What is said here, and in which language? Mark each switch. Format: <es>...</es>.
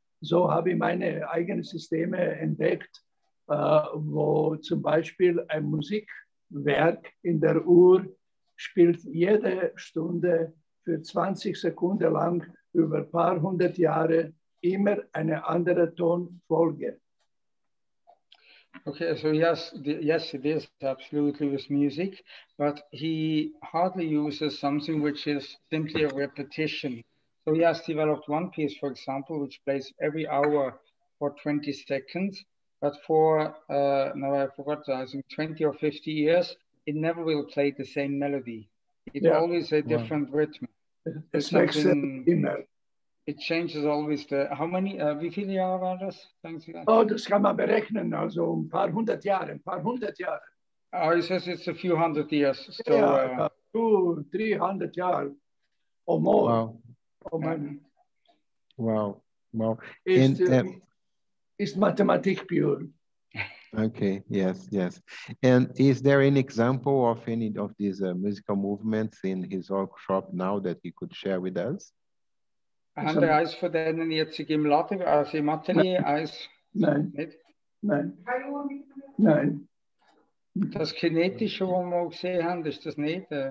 <de>So habe ich meine eigenen Systeme entdeckt, wo zum Beispiel ein Musikwerk in der Uhr spielt jede Stunde für 20 Sekunden lang über ein paar hundert Jahre immer eine andere Tonfolge.</de> <en>Okay, so yes, it is absolutely with music, but he hardly uses something which is simply a repetition. So he has developed one piece, for example, which plays every hour for 20 seconds, but for, I forgot, I think 20 or 50 years, it never will play the same melody. It's always a different rhythm. It's like it changes always the, how many,</en> <de>wie viele Jahre war das? Oh, das kann man berechnen, also ein paar hundert Jahre,</de> <en>Oh, he says it's a few hundred years. So, yeah,</en> <de>200-300 Jahre</de> <en>or more. Wow. Wow. It's</en> <de>mathematik pure.</de> <en>Okay, yes. And is there an example of any of these musical movements in his workshop now that he could share with us?</en> <de>Haben wir eins von denen jetzt im Latte, also im Atelier, eins? Nein. Das Kinetische, was wir gesehen haben, ist das nicht?</de>